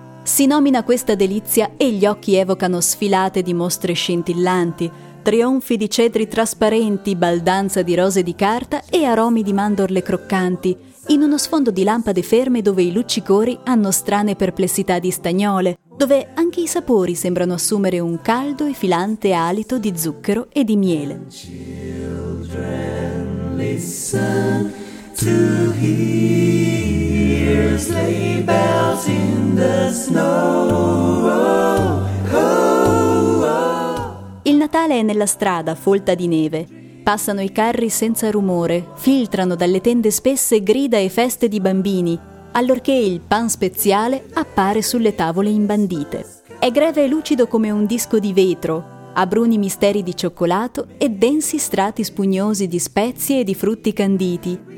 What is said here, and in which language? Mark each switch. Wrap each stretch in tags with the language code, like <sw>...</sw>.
<it>Si nomina questa delizia e gli occhi evocano sfilate di mostre scintillanti, trionfi di cetri trasparenti, baldanza di rose di carta e aromi di mandorle croccanti, in uno sfondo di lampade ferme dove i luccicori hanno strane perplessità di stagnole, dove anche i sapori sembrano assumere un caldo e filante alito di zucchero e di miele.</it> <en>Children, listen to hear sleigh bells in the snow. Oh, oh, oh.</en> <it>Il Natale è nella strada folta di neve. Passano i carri senza rumore, filtrano dalle tende spesse grida e feste di bambini, allorché il pan speziale appare sulle tavole imbandite. È greve e lucido come un disco di vetro, ha bruni misteri di cioccolato e densi strati spugnosi di spezie e di frutti canditi.</it>